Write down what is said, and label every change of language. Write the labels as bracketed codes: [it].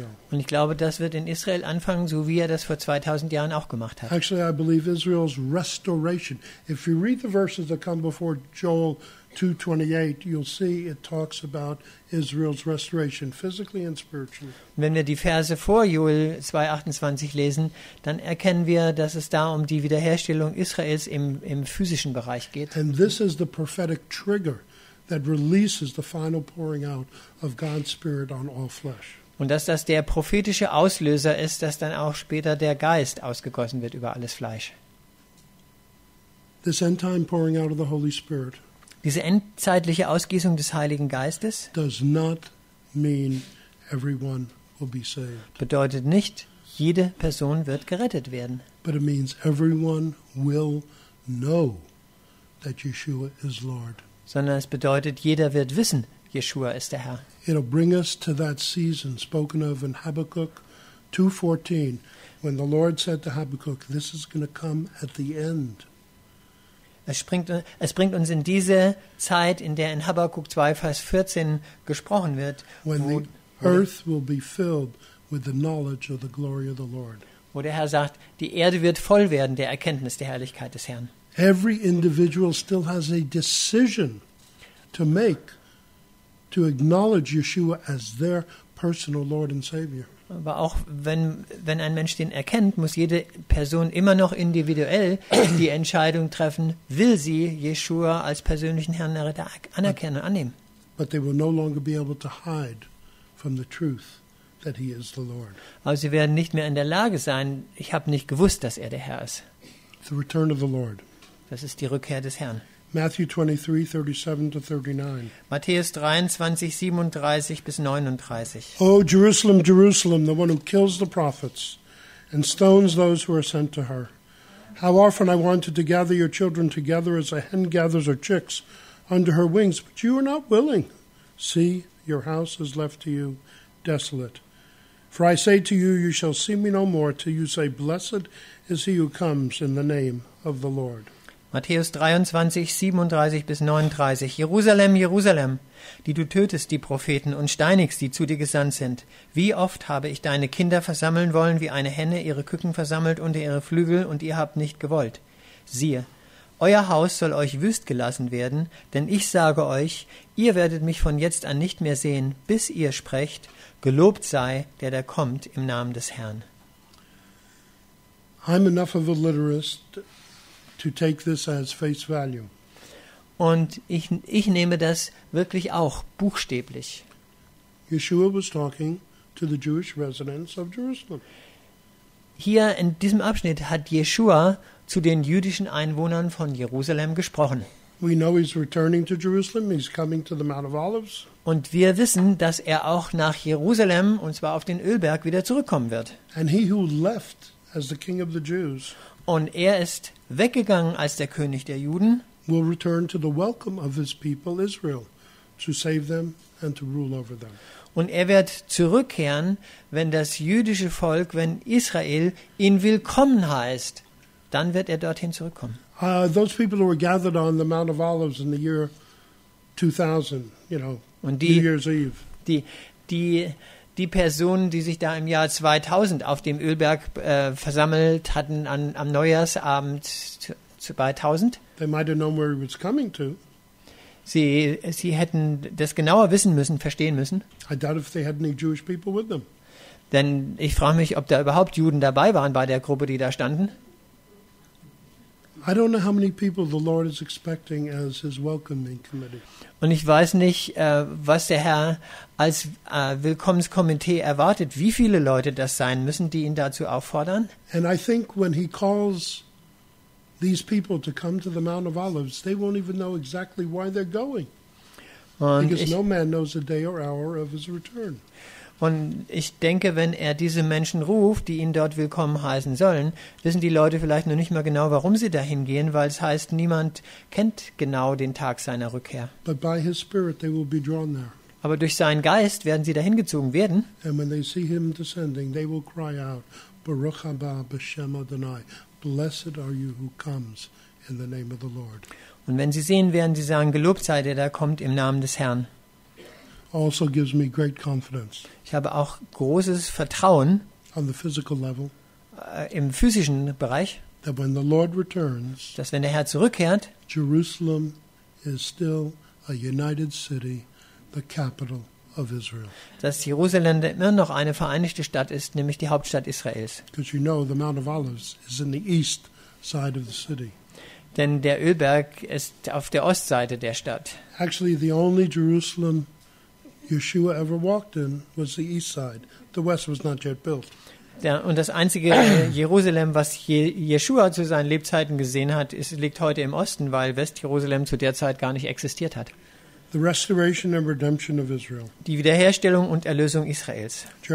[de] Und ich glaube, das wird in Israel anfangen, so wie er das vor 2000 Jahren auch gemacht hat. [en] Actually, I believe Israel's restoration. If you read the verses that come before Joel 2:28, you'll see it talks about Israel's restoration, physically and spiritually. [de] Wenn wir die Verse vor Joel 2:28 lesen, dann erkennen wir, dass es da um die Wiederherstellung Israels im physischen Bereich geht. [en] And this is the prophetic trigger that releases the final pouring out of God's Spirit on all flesh. [de] Und dass das der prophetische Auslöser ist, dass dann auch später der Geist ausgegossen wird über alles Fleisch. [en] This end time pouring out of the Holy Spirit. [de] Diese endzeitliche Ausgießung des Heiligen Geistes [en] does not mean everyone will be saved. [de] Bedeutet nicht, jede Person wird gerettet werden. [en] But it means everyone will know that Yeshua is Lord. [de] Sondern es bedeutet, jeder wird wissen, Yeshua ist der Herr. [en] It'll bring us to that season spoken of in Habakkuk 2:14, when the Lord said to Habakkuk, this is going to come at the end. [de] Es bringt uns in diese Zeit, in der in Habakkuk 2, Vers 14 gesprochen wird, wo der Herr sagt, die Erde wird voll werden der Erkenntnis der Herrlichkeit des Herrn. [en] Every individual still has a decision to make to acknowledge Yeshua as their personal Lord and Savior. [de] Aber auch wenn ein Mensch den erkennt, muss jede Person immer noch individuell die Entscheidung treffen, will sie Yeshua als persönlichen Herrn anerkennen und annehmen. [en] But they will no longer be able to hide from the truth that he is the Lord. [de] Aber sie werden nicht mehr in der Lage sein, ich habe nicht gewusst, dass er der Herr ist. [en] The return of the Lord. [de] Das ist die Rückkehr des Herrn. [en] Matthew 23:37-39. [de] Matthäus 23:37-39. [en] O Jerusalem, Jerusalem, the one who kills the prophets and stones those who are sent to her. How often I wanted to gather your children together as a hen gathers her chicks under her wings, but you are not willing. See, your house is left to you desolate. For I say to you, you shall see me no more till you say, blessed is he who comes in the name of the Lord. [de] Matthäus 23:37-39. Jerusalem, Jerusalem, die du tötest die Propheten und steinigst, die zu dir gesandt sind. Wie oft habe ich deine Kinder versammeln wollen, wie eine Henne ihre Küken versammelt unter ihre Flügel, und ihr habt nicht gewollt. Siehe, euer Haus soll euch wüst gelassen werden, denn ich sage euch, ihr werdet mich von jetzt an nicht mehr sehen, bis ihr sprecht, gelobt sei, der da kommt im Namen des Herrn. [en] I'm enough of a literalist to take this as face value. [de] Und ich nehme das wirklich auch buchstäblich. [en] Yeshua was talking to the Jewish residents of Jerusalem. [de] Hier in diesem Abschnitt hat Yeshua zu den jüdischen Einwohnern von Jerusalem gesprochen. [en] We know he's returning to Jerusalem, he's coming to the Mount of Olives. [de] Und wir wissen, dass er auch nach Jerusalem, und zwar auf den Ölberg, wieder zurückkommen wird. [en] And he who left as the king of the Jews. [de] Und er ist weggegangen als der König der Juden. [en] Will return to the welcome of his people Israel to save them and to rule over them. [de] Und er wird zurückkehren, wenn das jüdische Volk, wenn Israel ihn willkommen heißt, dann wird er dorthin zurückkommen. [en] Those people who were gathered on the Mount of Olives in the year 2000, you know, [de] und die, [en] New Year's Eve. [de] Die Personen, die sich da im Jahr 2000 auf dem Ölberg versammelt hatten am Neujahrsabend zu 2000. [en] They might have known where he was coming to. [de] Sie hätten das genauer wissen müssen, verstehen müssen. [en] I doubt if they had any Jewish people with them. [de] Denn ich frage mich, ob da überhaupt Juden dabei waren bei der Gruppe, die da standen. [en] I don't know how many people the Lord is expecting as his welcoming committee. [de] Und ich weiß nicht, was der Herr als Willkommenskomitee erwartet, wie viele Leute das sein müssen, die ihn dazu auffordern. [en] And I think when he calls these people to come to the Mount of Olives, they won't even know exactly why they're going. [de] Und [en] because no man knows the day or hour of his return. [de] Und ich denke, wenn er diese Menschen ruft, die ihn dort willkommen heißen sollen, wissen die Leute vielleicht noch nicht mal genau, warum sie dahin gehen, weil es heißt, niemand kennt genau den Tag seiner Rückkehr. [en] But by his spirit they will be drawn there. [de] Aber durch seinen Geist werden sie dahin gezogen werden. [en] And when they see him descending, they will cry out, [he] Baruch haba b'shem Adonai, [en] blessed are you who comes in the name of the Lord. [de] Und wenn sie sehen, werden sie sagen, gelobt sei der, der kommt im Namen des Herrn. [en] Also gives me great confidence. [de] Ich habe auch großes Vertrauen [en] on the physical level, [de] im physischen Bereich, [en] that when the Lord returns, [de] dass wenn der Herr zurückkehrt, [en] Jerusalem is still a united city, the capital of Israel. [de] Dass Jerusalem immer noch eine vereinigte Stadt ist, nämlich die Hauptstadt Israels. [en] Because you know the Mount of Olives is in the east side of the city. [de] Denn der Ölberg ist auf der Ostseite der Stadt. [en] Actually, the only Jerusalem Yeshua ever walked in was the east side. The west was not yet built. [de] Ja, und das einzige Jerusalem, was Yeshua zu seinen Lebzeiten gesehen hat, ist, liegt heute im Osten, weil West-Jerusalem zu der Zeit gar nicht existiert hat. [en] The restoration and redemption of Israel. [de] Die Wiederherstellung und Erlösung Israels.